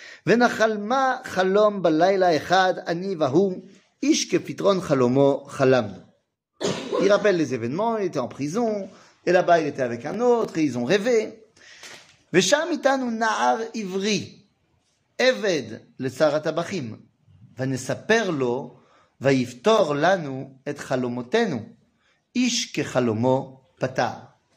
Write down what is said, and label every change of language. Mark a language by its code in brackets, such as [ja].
[he] ונחלמה חלום בלילה אחד, אני והוא, איש כפתרון חלומו, חלמנו. [fr] Il rappelle les événements, il était en prison, et là-bas il était avec un autre, et ils ont rêvé. [he] ושם איתנו נער עברי, עבד לשר הטבחים, ונספר לו, ויפתור לנו את חלומותינו, איש כחלומו פתר.